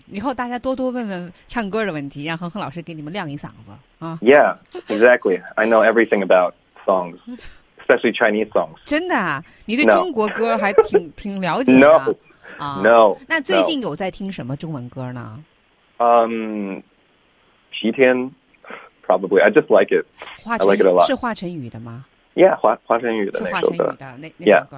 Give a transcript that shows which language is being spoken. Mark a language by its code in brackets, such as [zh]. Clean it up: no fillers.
[zh] 以后大家多多问问唱歌的问题，让恒恒老师给你们亮一嗓子啊。 [en] Yeah， exactly. I know everything about songs, especially Chinese songs. [zh] 真的啊，你对中国歌还挺了解的。 [en] No。 No， [zh] 那最近有在听什么中文歌呢？ [en] 齐天 ，probably I just like it， I like it a lot。 [zh] 是华晨宇的吗？Yeah， 华晨宇的那首歌。是华晨宇的那首歌，